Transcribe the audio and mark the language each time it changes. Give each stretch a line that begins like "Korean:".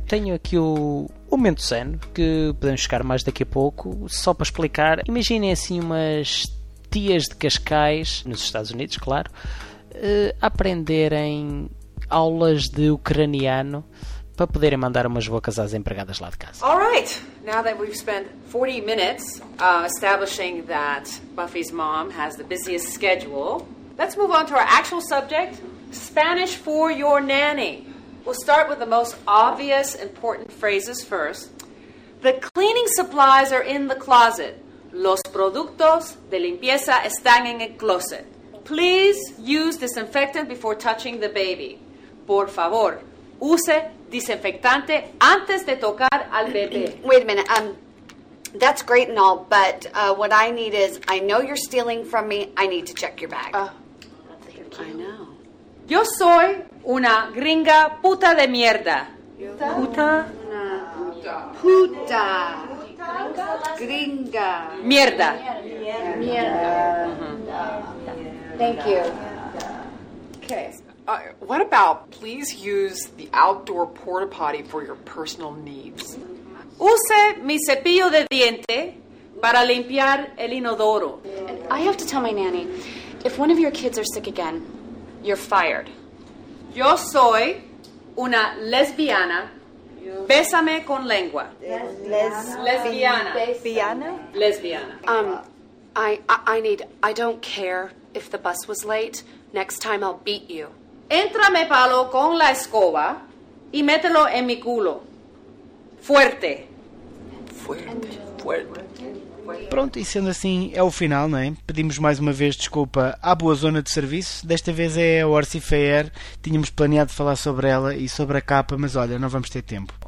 Portuguese: Tenho aqui o momento sano, que podemos chegar mais daqui a pouco. Só para explicar, imaginem assim umas tias de Cascais, nos Estados Unidos, claro, aprenderem aulas de ucraniano para poderem mandar umas bocas às empregadas lá de casa.
English: All right. Now that we've spent 40 minutes establishing that Buffy's mom has the busiest schedule, let's move on to our actual subject, Spanish for your nanny. We'll start with the most obvious important phrases first. The cleaning supplies are in the closet.
Spanish: Los productos de limpieza están en el closet.
English: Please use disinfectant before touching the baby.
Spanish: Por favor, use desinfectante antes de tocar al bebé.
English: Wait a minute. That's great and all, but what I need is, I know you're stealing from me. I need to check your bag. Thank you. I know.
Spanish: Yo soy una gringa puta de mierda. Puta? Puta. Una puta. Puta. Puta. Gringa. Mierda. Mierda.
English: Thank you. Okay. What about, please use the outdoor porta potty for your personal needs?
Spanish: Use mi cepillo de diente para limpiar el inodoro.
English: And I have to tell my nanny, if one of your kids are sick again, you're fired.
Spanish: Yo soy una lesbiana. Bésame con lengua. Lesbiana. Lesbiana. Lesbiana.
English: I don't care if the bus was late. Next time I'll beat you.
Spanish: Entrame palo con la escoba y mételo en mi culo. Fuerte. Fuerte. Fuerte.
Portuguese: Pronto, e sendo assim, é o final, não é? Pedimos mais uma vez desculpa à boa zona de serviço. Desta vez é a Orsi Fair. Tínhamos planeado falar sobre ela e sobre a capa, mas olha, não vamos ter tempo.